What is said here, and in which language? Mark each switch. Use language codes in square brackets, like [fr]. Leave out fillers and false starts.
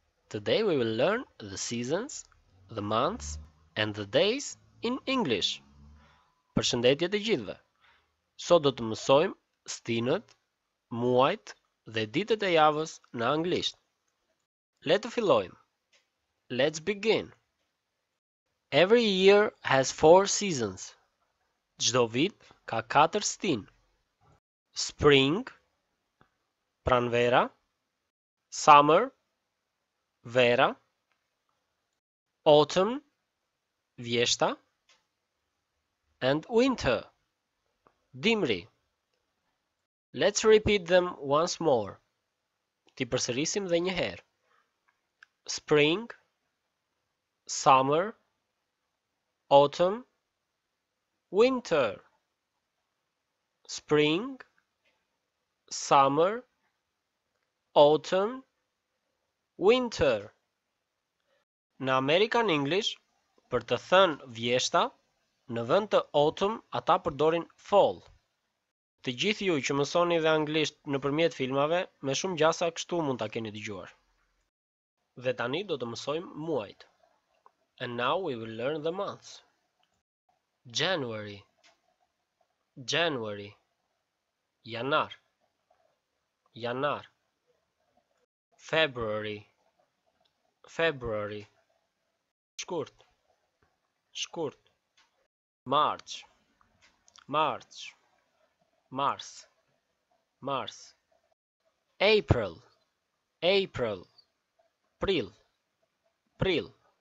[en] Today we will learn the seasons, the months, and the days in English. [sq] Përshëndetje të gjithëve! Sot do të mësojmë stinët, muajt dhe ditët e javës në anglisht. Le të fillojmë! [en] Let's begin! Every year has four seasons. [sq] Çdo vit ka katër stin. Spring, pranvera, summer, vera, autumn, vjeshta, and winter, dimri. [en] Let's repeat them once more. [sq] Ti përsërisim dhe një herë. [en] Spring, summer, autumn, winter. Spring, summer, autumn, winter. [sq] Në American English, për të thënë vjeshta, në vend të autumn, ata përdorin fall. Të gjithë ju që mësoni dhe anglisht nëpërmjet filmave, me shumë gjasa kështu mund ta keni dëgjuar. Dhe tani do të mësojmë muajt. [en] And now we will learn the months. January. January. Janar. Janar. February, February, shkurt, shkurt, March, March, Mars, Mars, April, April, prill, prill,